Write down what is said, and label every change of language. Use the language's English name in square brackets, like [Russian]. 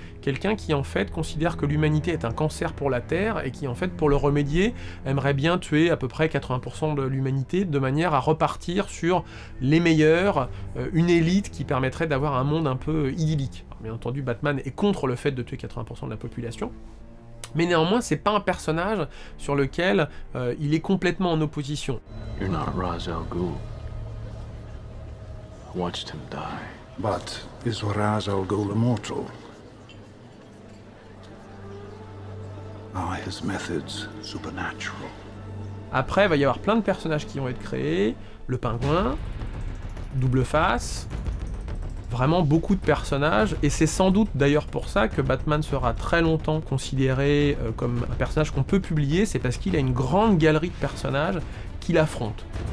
[French] Quelqu'un qui en fait considère que l'humanité est un cancer pour la Terre et qui en fait pour le remédier aimerait bien tuer à peu près 80% de l'humanité de manière à repartir sur les meilleurs, une élite qui permettrait d'avoir un monde un peu idyllique. Alors, bien entendu, Batman est contre le fait de tuer 80% de la population. Mais néanmoins, c'est pas un personnage sur lequel il est complètement en opposition. [English] You're not Ra's al Ghul. Watched him die. But is Ra's al Ghul immortal? Are his methods supernatural? [French] Après, il va y avoir plein de personnages qui vont être créés. Le Pingouin, Double Face, vraiment beaucoup de personnages, et c'est sans doute d'ailleurs pour ça que Batman sera très longtemps considéré comme un personnage qu'on peut publier, c'est parce qu'il a une grande galerie de personnages qu'il affronte.